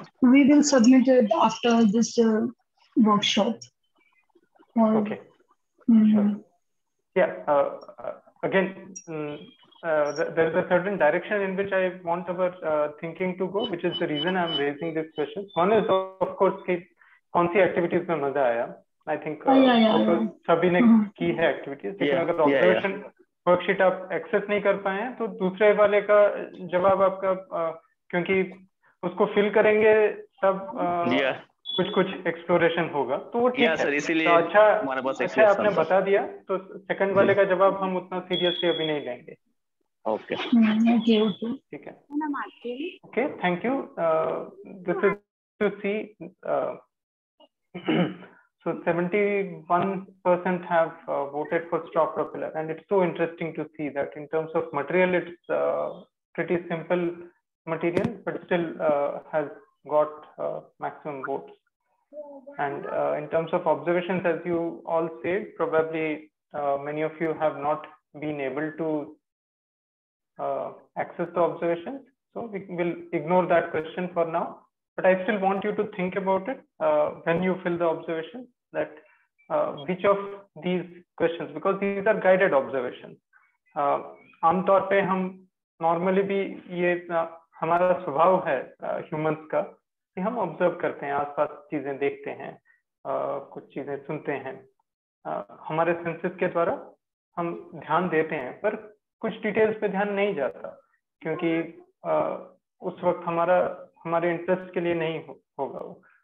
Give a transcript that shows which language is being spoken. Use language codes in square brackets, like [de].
[en] We will submit it after this workshop. Okay. Sure. Yeah. There is a certain direction in which I want our thinking to go, which is the reason I'm raising this question. One is, of course, [hi] कौन सी activities में मजा आया? [en] I think [hi] सभी ने की है activities. लेकिन अगर observation worksheet आप access नहीं कर पाए हैं, तो दूसरे वाले का जवाब आपका क्योंकि उसको fill करेंगे तब. कुछ कुछ एक्सप्लोरेशन होगा तो वो ठीक है सर, तो अच्छा अच्छा आपने बता दिया तो सेकंड वाले का जवाब हम उतना सीरियसली अभी नहीं लेंगे. ओके ठीक है. [en] Okay thank you. This is to see so 71% have voted for straw propeller and it's so interesting to see that in terms of material it's pretty simple material but still has got maximum votes. And in terms of observations, as you all said, probably many of you have not been able to access the observations, so we will ignore that question for now, but I still want you to think about it when you fill the observation, that which of these questions, because these are guided observations. [hi] आमतौर पे हम normally भी ये हमारा स्वभाव है humans का, हम ऑब्जर्व करते हैं, आसपास चीजें देखते हैं, कुछ चीजें सुनते हैं, हमारे सेंसेस के द्वारा हम ध्यान देते हैं, पर कुछ डिटेल्स पे ध्यान नहीं जाता क्योंकि उस वक्त हमारा हमारे इंटरेस्ट के लिए नहीं होगा वो.